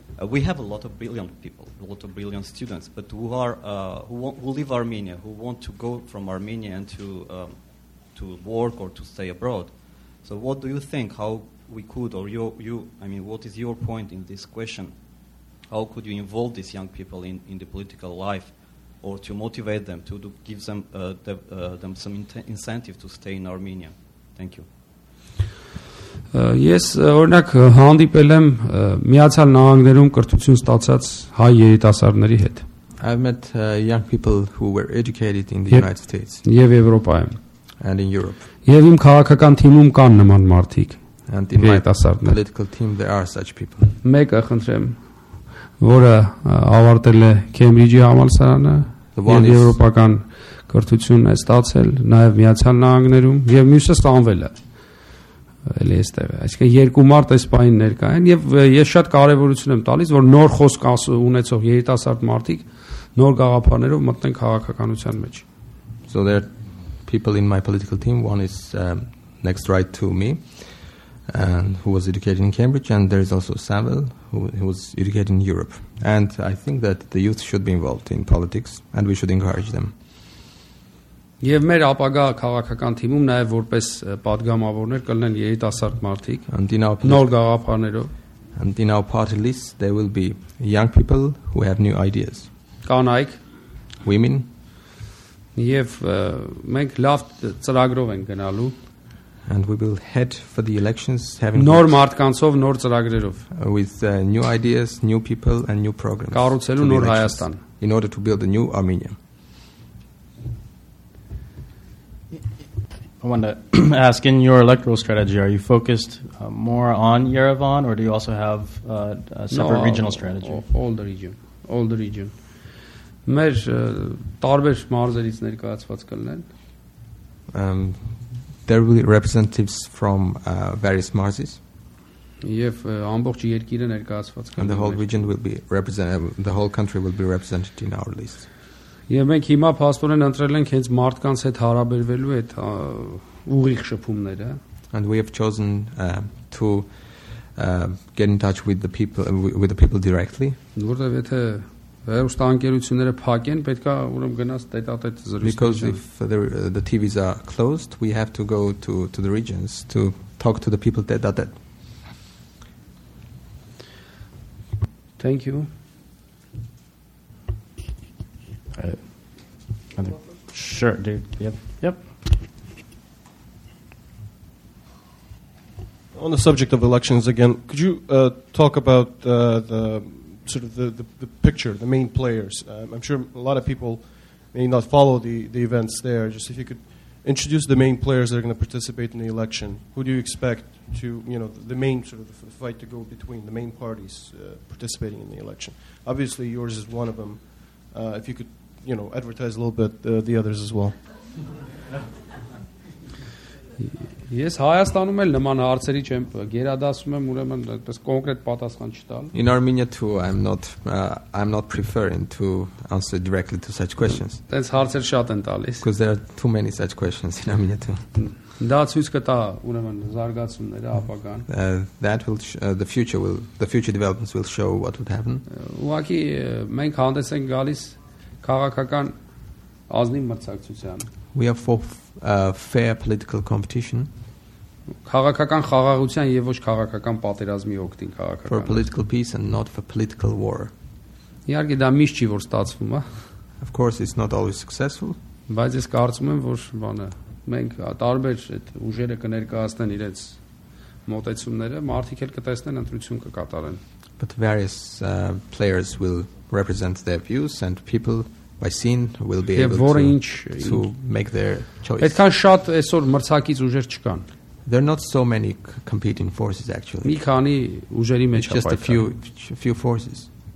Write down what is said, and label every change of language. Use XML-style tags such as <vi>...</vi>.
<en>We have a lot of brilliant people, a lot of brilliant students, but who leave Armenia, who want to go from Armenia and to work or to stay abroad. So what do you think? How we could, or what is your point in this question? How could you involve these young people in the political life, or to motivate them, to give them them some incentive to stay in Armenia? Thank you.</en> <hy>Ես օրինակ հանդիպել եմ Միացյալ Նահանգներում կրթություն ստացած հայ երիտասարդների հետ։</hy> <en>I've met young people who were educated in the United States.</en> <hy>Եվ Եվրոպայում։</hy> <en>And in Europe.</en> <hy>Եվ իմ քաղաքական թիմում կան նման մարդիկ։</hy> <en>And in my political team there are such people.</en> <hy>Մեկը խնդրեմ, որը ավարտել է Քեմբրիջի համալսարանը, ունի եվրոպական կրթություն է ստացել նաև Միացյալ Նահանգներում, եւ մյուսը ստանվել է։ էլի էստեղ է, այսինքն երկու մարդ այս պահին ներկա են, եւ ես շատ կարեւորություն եմ տալիս, որ նոր խոսք ունեցող երիտասարդ մարդիկ նոր գաղափարներով մտնեն քաղաքականության մեջ.</hy> <en>So there are people in my political team, one is next right to me, and who was educated in Cambridge, and there is also Samuel, who was educated in Europe. And I think that the youth should be involved in politics, and we should encourage them.</en> <hy>Եվ մեր ապագա քաղաքական թիմում նաև որպես падգամավորներ կլինեն երիտասարդ մարդիկ նոր գաղափարներով.</hy> <en>And in our party list there will be young people who have new ideas.</en> <hy>Կանայք,</hy> <en>women.</en> <hy>Եվ մենք լավ ծրագրով ենք գնալու.</hy> <en>And we will head for the elections having</en> <hy>նոր մարդկանցով, նոր ծրագրերով.</hy> <en>With new ideas, new people and new programs.</en> <hy>Կառուցելու նոր Հայաստան.</hy> <en>In order to build a new Armenia. I want to ask, in your electoral strategy, are you focused more on Yerevan, or do you also have a separate regional strategy? All the region.</en> <hy>Մեր տարբեր մարզերից ներկայացված կլինեն.</hy> <en>There will be representatives from various marzes.</en> <hy>Եվ ամբողջ երկիրը ներկայացված կլինի։</hy> <en>And the whole region will be represented, the whole country will be represented in our list.</en> <hy>Եվ մենք հիմա փաստորեն ընտրել ենք հենց մարդկանց հետ հարաբերվելու այդ ուղիղ շփումները.</hy> <en>And we have chosen to get in touch with the people directly.</en> <hy>Որտեղ եթե հեռուստաընկերությունները փակեն, պետքա ուրեմն գնաս տետատետ զրույցի։</hy> <en>Because if the TVs are closed, we have to go to the regions to talk to the people tête-à-tête. Thank you. Sure, dude. Yep. On the subject of elections again, could you talk about the sort of the picture, the main players? I'm sure a lot of people may not follow the events there. Just if you could introduce the main players that are going to participate in the election. Who do you expect to, you know, the main sort of the fight to go between the main parties participating in the election? Obviously, yours is one of them. If you could, you know, advertise a little bit the others as well.</en> <hy>Ես Հայաստանում էլ նման հարցերի չեմ գերադասում, ուրեմն այդպես կոնկրետ պատասխան չտալ։</hy> <en>In Armenia too, I'm not preferring to answer directly to such questions.</en> <hy>Այս հարցեր շատ են տալիս։</hy> <en>Because there are too many such questions in Armenia too.</en> <hy>Դա ցույց կտա ուրեմն զարգացումները ապագան։</hy> <en>That will the future developments will show what would happen.</en> <hy>Ուղղակի մենք հանդես ենք գալիս քաղաքական ազնիվ մրցակցության։</hy> <en>We are for fair political competition.</en> <hy>Քաղաքական խաղաղության եւ ոչ քաղաքական պատերազմի օգտին քաղաքական։</hy> <en>For political peace and not for political war.</en> <hy>Իհարկե դա միշտ չի որ ստացվում, հա։</hy> <en>Of course it's not always successful.</en> <hy>Բայց ես կարծում եմ, որ բանը մենք տարբեր այդ ուժերը կներկայացնեն իրենց մոտեցումները, մարդիկ էլ կտեսնեն, ընտրություն կկատարեն։</hy> <en>But various players will represent their views and people by seeing will be able to make their choice.</en> <hy>Այդքան շատ այսօր մրցակից ուժեր չկան.</hy> <en>There are not so many competing forces actually.</en> <hy>Մի քանի ուժերի մեջ հապայքան.</hy> <en>Just a few forces.</en>